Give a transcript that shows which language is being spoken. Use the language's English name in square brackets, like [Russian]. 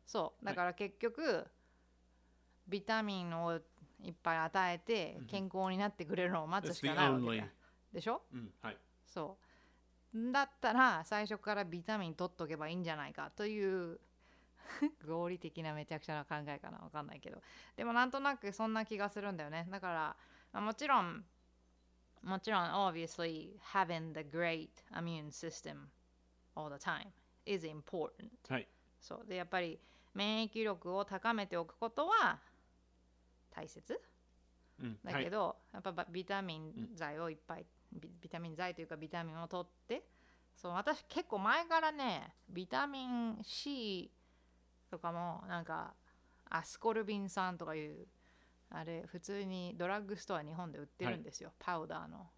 [Japanese] そうだから結局、はい、ビタミンをいっぱい与えて健康になってくれるのを待つしかないわけだ、mm-hmm. でしょ、うん、はい、そうだったら最初からビタミン取っとけばいいんじゃないかという合理的なめちゃくちゃな考えかな、わかんないけど、でもなんとなくそんな気がするんだよね。だからもちろん [English] obviously having the great immune system all the time is important、 [Japanese] はい、そうでやっぱり免疫力を高めておくことは大切、うん、だけど、はい、やっぱビタミン剤をいっぱい、うん、ビタミン剤というかビタミンを取って、そう私結構前からねビタミン C とかもなんかアスコルビン酸とかいうあれ普通にドラッグストア日本で売ってるんですよ、はい、パウダーの、